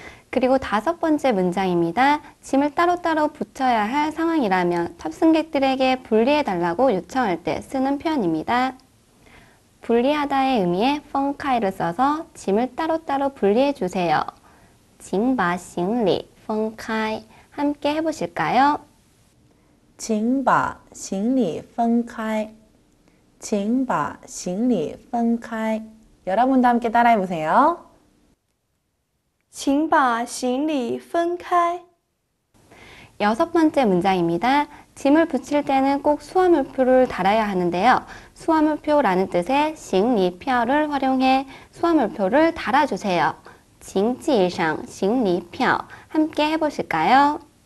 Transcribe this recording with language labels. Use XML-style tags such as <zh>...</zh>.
<ko>그리고 다섯 번째 문장입니다. 짐을 따로따로 붙여야 할 상황이라면 탑승객들에게 분리해달라고 요청할 때 쓰는 표현입니다. 분리하다의 의미에 分开를 써서 짐을 따로따로 분리해주세요.</ko> <zh>请把行李分开</zh> <ko>함께 해보실까요?</ko> <zh>请把行李分开，请把行李分开。</zh> <ko>여러분도 함께 따라해 보세요.</ko> <zh>请把行李分开。</zh> <ko>여섯 번째 문장입니다. 짐을 붙일 때는 꼭 수화물표를 달아야 하는데요. 수화물표라는 뜻의 行李표를 활용해 수화물표를 달아주세요.</ko> <zh>请系上行李票</zh> <ko>함께 해보실까요?</ko>